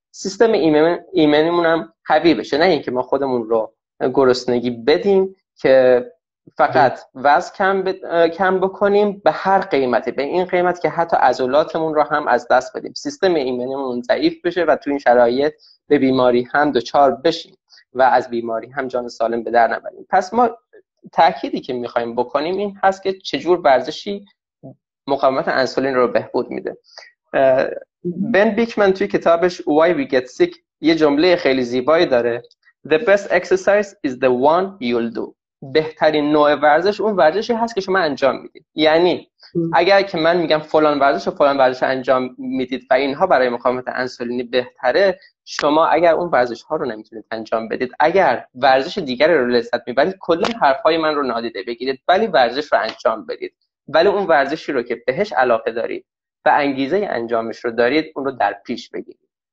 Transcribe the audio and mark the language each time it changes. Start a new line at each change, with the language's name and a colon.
Persian: سیستم ایمنیمون هم قوی بشه، نه اینکه ما خودمون رو گرسنگی بدیم که فقط وزن کم بکنیم به هر قیمتی، به این قیمت که حتی عضلاتمون رو هم از دست بدیم، سیستم ایمنیمون ضعیف بشه و تو این شرایط به بیماری هم دچار بشیم و از بیماری هم جان سالم به در نبریم. پس ما تأکیدی که میخوایم بکنیم این هست که چجور ورزشی مقاومت انسولین رو بهبود میده. بن بیکمن توی کتابش Why We Get Sick یه جمله خیلی زیبایی داره:
English: The best exercise is the one you'll do.
Persian: بهترین نوع ورزش اون ورزشی هست که شما انجام میدید. یعنی اگر که من میگم فلان ورزش و فلان ورزش انجام میدید و اینها برای مقاومت انسولینی بهتره، شما اگر اون ورزش ها رو نمیتونید انجام بدید، اگر ورزش دیگری رو لذت میبرید، کلا حرفای من رو نادیده بگیرید، ولی ورزش رو انجام بدید، ولی اون ورزشی رو که بهش علاقه دارید و انگیزه انجامش رو دارید اون رو در پیش بگیرید.